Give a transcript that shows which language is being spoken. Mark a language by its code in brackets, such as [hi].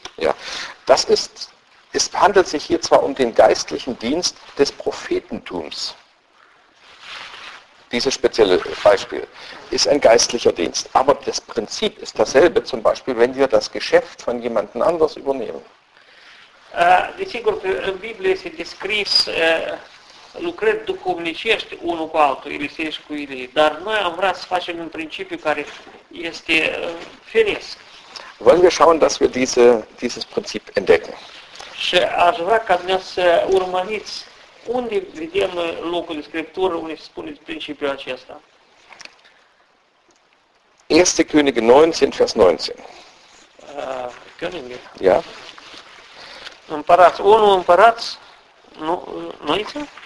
[de] Ja, das ist, es handelt sich hier zwar um den geistlichen Dienst des Prophetentums. Dieses spezielle Beispiel ist ein geistlicher Dienst. Aber das Prinzip ist dasselbe, zum Beispiel, wenn wir das Geschäft von jemandem anders übernehmen. [ro] Desigur, [de] in der Bibel ist [ro] descris, lucrări duhovnicești unul cu altul, Elisei și cu Ilie. Dar noi am vrea să facem un principiu care este firesc. [de] Wollen wir schauen, dass wir dieses Prinzip entdecken. [ro] Și aș vrea ca dumneavoastră să urmăriți unde vedem locul de Scriptură unde se spune principiul acesta. [de] 1. Könige 19, Vers 19. Könige? Ja. [ro] Împărați. 1. Împărați 19?